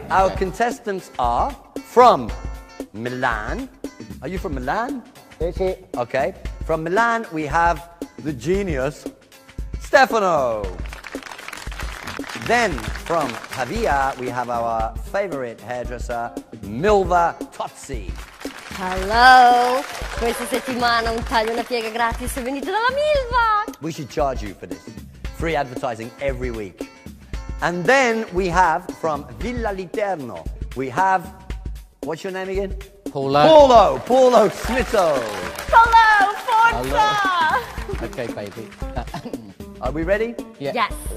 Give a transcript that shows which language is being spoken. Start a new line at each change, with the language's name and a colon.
English: that. Our okay. Contestants are from Milan. Are you from Milan? Yes. Okay. From Milan, we have the genius Stefano. Then from Pavia, we have our favorite hairdresser Milva Tozzi. Hello.
Italian: Questa settimana un taglio una piega gratis è venuto dalla Milva.
English: We should charge you for this. Free advertising every week. And then we have from Villa Literno, we have, what's your name again? Paolo Smitto. Paolo,
Italian: forza!
English: Hello. Okay, baby. Are we ready? Yeah. Yes.